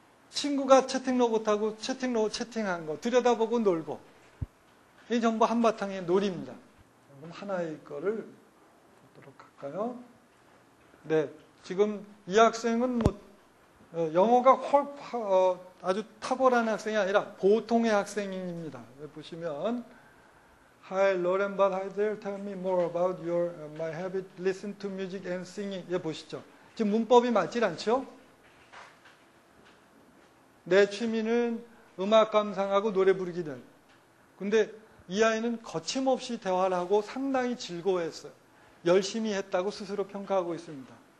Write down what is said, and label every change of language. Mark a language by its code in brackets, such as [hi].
[ko] 친구가 채팅로봇하고 채팅로봇 채팅한 거 들여다보고 놀고 이 전부 한바탕의 놀입니다. 그럼 하나의 거를 보도록 할까요? 네, 지금 이 학생은 뭐 영어가 아주 탁월한 학생이 아니라 보통의 학생입니다. 보시면 [en] Hi, Lauren, but hi there. Tell me more about your, my habit. Listen to music and singing. [ko] 예, 보시죠. 지금 문법이 맞질 않죠? 내 취미는 음악 감상하고 노래 부르기는. 근데 이 아이는 거침없이 대화를 하고 상당히 즐거워했어요. 열심히 했다고 스스로 평가하고 있습니다.